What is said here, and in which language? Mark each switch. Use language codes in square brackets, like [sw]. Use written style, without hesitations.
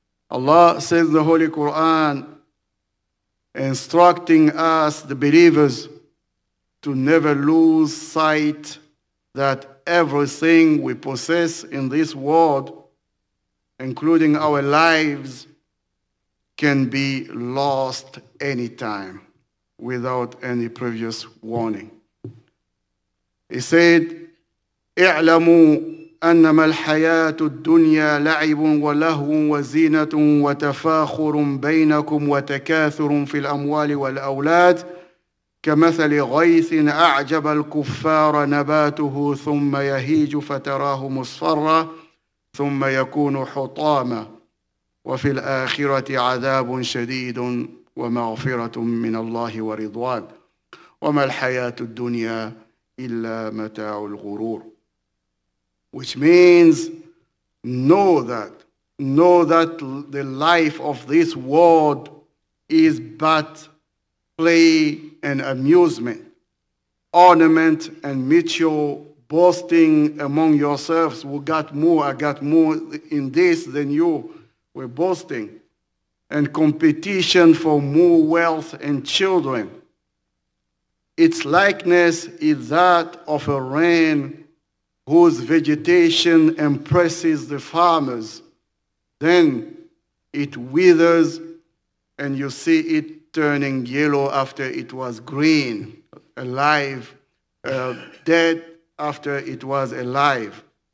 [en] Allah says in the Holy Quran, instructing us, the believers, to never lose sight that everything we possess in this world, including our lives, can be lost anytime without any previous warning. He said, [ar] اعلموا أنما الحياة الدنيا لعب ولهو وزينة وتفاخر بينكم وتكاثر في الأموال والأولاد كمثل غيث أعجب الكفار نباته ثم يهيج فتراه مصفرا ثم يكون حطاما وفي الآخرة عذاب شديد ومغفرة من الله ورضوان وما الحياة الدنيا إلا متاع الغرور [en] Which means, know that the life of this world is but play and amusement, ornament and mutual boasting among yourselves, we got more, I got more in this than you. We're boasting. and competition for more wealth and children. Its likeness is that of a rain whose vegetation impresses the farmers. Then it withers and you see it turning yellow after it was green, alive, dead after it was alive.